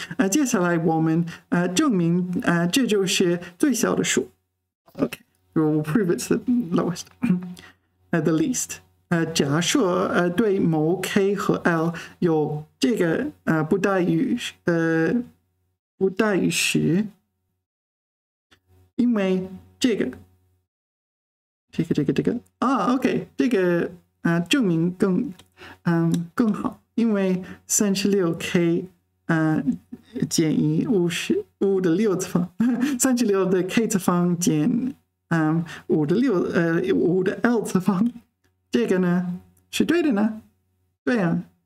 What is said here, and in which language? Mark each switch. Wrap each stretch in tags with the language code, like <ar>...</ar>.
<zh>接下来我们证明这就是最小的数。</zh> <en>OK, we'll prove it's the lowest, the least.</en> <zh>假设对某 k 和 l 有这个不大于十因为这个 OK, 这个证明更好因为 36k 减以5的6次方36的 k 次方减5的65的 l 次方这个呢是对的呢对啊</zh>